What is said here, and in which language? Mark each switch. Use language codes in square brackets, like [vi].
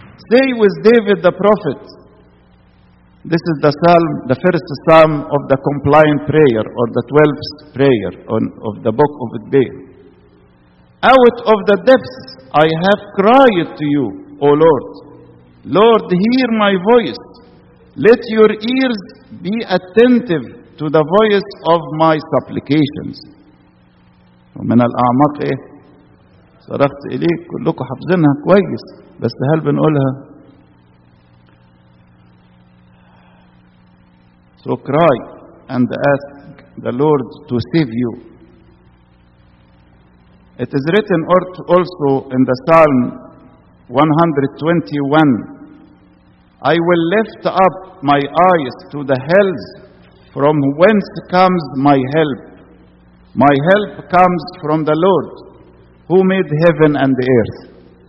[en] Stay with David the prophet. This is the psalm, the first psalm of the compliant prayer, or the 12th prayer of the book of David. Out of the depths I have cried to you, O Lord. Lord, hear my voice. Let your ears be attentive to the voice of my supplications. [ar] ومن الأعماق إيه؟ صرخت إليك كلكم حافظينها كويس بس هل بنقولها؟ [en] So cry and ask the Lord to save you. It is written also in the Psalm 121, I will lift up my eyes to the hills. From whence comes my help? My help comes from the Lord, who made heaven and the earth.